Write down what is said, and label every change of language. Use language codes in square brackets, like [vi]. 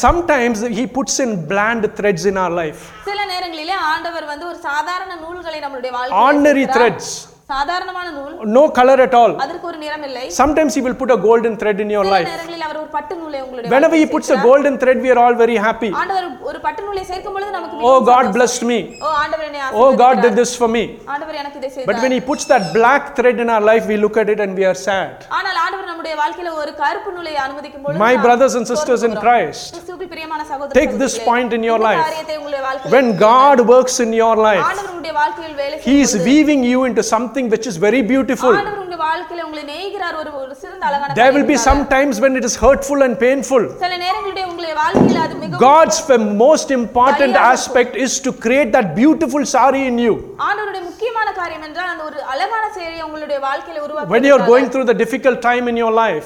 [en] Sometimes he puts in bland threads in our life [ta] சில நேரங்களிலே ஆண்டவர் வந்து ஒரு சாதாரண நூல்களை நம்மளுடைய வாழ்க்கையில் [en] ordinary threads [ta] சாதாரணமான நூல் [en] no color at all [ta] அதற்கு ஒரு நிறம் இல்லை [en] Sometimes he will put a golden thread in your life [ta] சில நேரங்களில் அவர் ஒரு பட்டு நூலை உங்களுடைய [en] Whenever he puts a golden thread we are all very happy [ta] ஆண்டவர் ஒரு பட்டு நூலை சேர்க்கும் பொழுது நமக்கு [en] Oh God blessed me [ta] Oh ஆண்டவர் என்னை [en] Oh God did this for me [ta] ஆண்டவர் எனக்கு இதை செய்தார் [en] But when he puts that black thread in our life we look at it and we are sad [ta] ஆனால் ஆண்டவர் நம்முடைய வாழ்க்கையில ஒரு கருப்பு நூலை அனுமதிக்கும் பொழுது [en] My brothers and sisters in Christ [ta] கிறிஸ்துவுக்கு பிரியமான சகோதரர்களே [en] Take this point in your life [ta] இந்த காரியத்தை உங்களுடைய வாழ்க்கையில் [en] When God works in your life [ta] ஆண்டவருடைய வாழ்க்கையில் வேலை செய்து [en] He is weaving you into something which is very beautiful [ta] ஆண்டவர் உங்க வாழ்க்கையில உங்களை நெய்கிறார் ஒரு சிறந்த அழகான [en] There will be sometimes when it is hurtful and painful [ta] சில நேரங்களிலே உங்களுடைய வாழ்க்கையில அது மிகவும் [en] God's most important aspect is to create that beautiful saree in you [ta] ஆண்டவருடைய முக்கியமான காரியம் என்றால் அந்த ஒரு அழகான சேரியை உங்களுடைய வாழ்க்கையில உருவாக்க [en] When you are going through the difficult time in your life